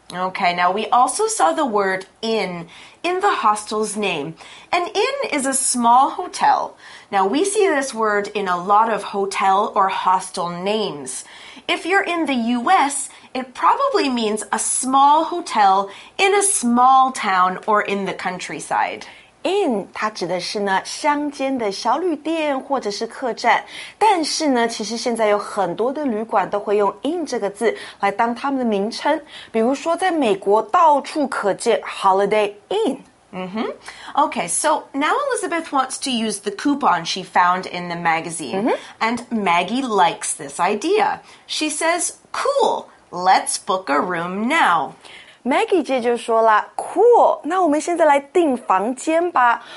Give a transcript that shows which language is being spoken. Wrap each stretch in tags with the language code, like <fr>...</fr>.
<en>Okay, now we also saw the word inn in the hostel's name. An inn is a small hotel. Now we see this word in a lot of hotel or hostel names. If you're in the U.S., it probably means a small hotel in a small town or in the countryside.</en> <zh>Inn 它指的是呢乡间的小旅店或者是客栈，但是呢，其实现在有很多的旅馆都会用 inn 这个字来当他们的名称。比如说，在美国到处可见 Holiday Inn。 Mm-hmm.</zh> <en>Okay, so now Elizabeth wants to use the coupon she found in the magazine,、mm-hmm. and Maggie likes this idea. She says, "Cool, let's book a room now."</en> <zh>Maggie 姐就说了 ,cool, 那我们现在来订房间吧。</zh>